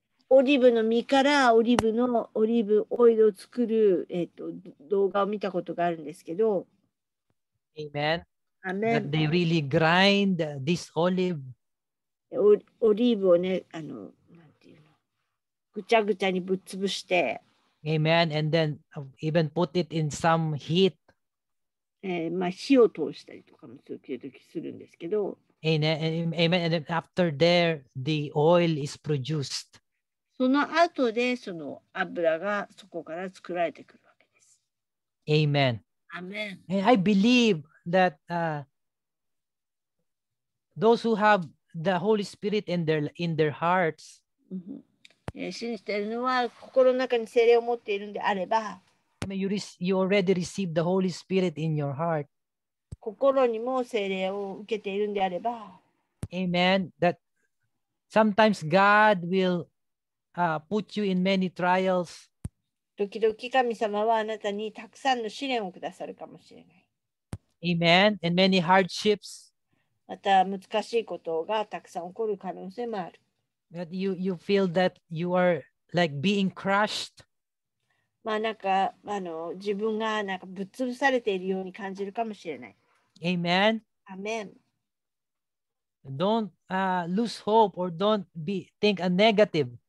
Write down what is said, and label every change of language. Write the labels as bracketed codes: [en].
[ja] オリーブの実からオリーブオイルを作る動画を見たことがあるんですけど。 [en] Amen. Amen. That they really grind this olive. [ja] オリーブをね、なんていうの、ぐちゃぐちゃにぶっ潰して。 [en] Amen. And then even put it in some heat. [ja] 火を通したりとかも時々するんですけど。 [en] Amen. And after there, the oil is produced. [ja] その後でその油がそこから作られてくるわけです。 [en] Amen. Amen. And I believe that those who have the Holy Spirit in their hearts. [ja] 信じているのは心の中に聖霊を持っているんであれば。 [en] You already received the Holy Spirit in your heart. [ja] 心にも聖霊を受けているんであれば、 [en] Amen. That sometimes God will put you in many trials. [ja] 時々神様はあなたにたくさんの試練をくださるかもしれない。 [en] Amen. And many hardships. [ja] また難しいことがたくさん起こる可能性もある。 [en] That you feel that you are like being crushed. [ja] まあ、なんか自分がなんかぶっ潰されているように感じるかもしれない。 [en] Amen. Amen. Don't lose hope or don't think a negative.